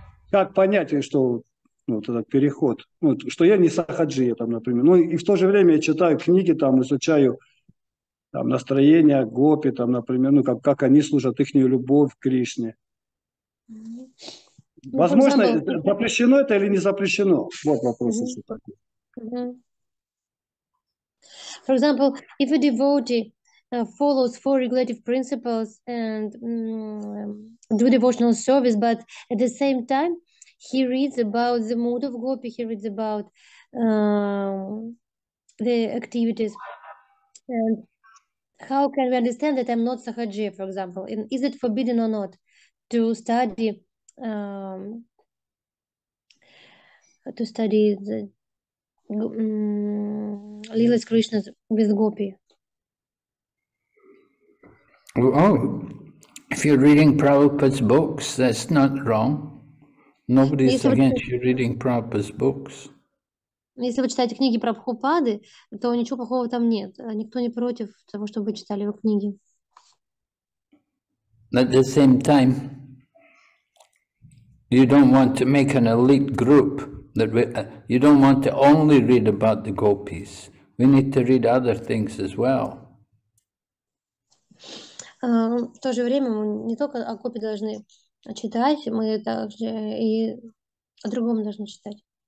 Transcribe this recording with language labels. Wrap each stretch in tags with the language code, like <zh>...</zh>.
<ru>Как понять, что вот этот переход, что я не сахаджи, например. И в то же время я читаю книги, изучаю настроение гопи, например, как они служат, ихнюю любовь к Кришне. Возможно, запрещено это или не запрещено? Вот вопрос. Mm-hmm. Mm-hmm.</ru> <en>For example, if a devotee follows 4 regulative principles and do devotional service, but at the same time he reads about the mood of gopi, he reads about the activities. And how can we understand that I'm not sahaji, for example? And is it forbidden or not to study the Lila's Krishna with Gopi. Oh, if you're reading Prabhupada's books, that's not wrong. Nobody's against you reading Prabhupada's books.</en> <ru>Если вы читаете книги Прабхупады, то ничего плохого там нет. Никто не против того, чтобы вы читали его книги.</ru> <en>At the same time, you don't want to make an elite group. You don't want to only read about the gopis. We need to read other things as well.</en> <ru>В то же время мы не только о гопи должны читать, мы также и о другом должны читать.</ru>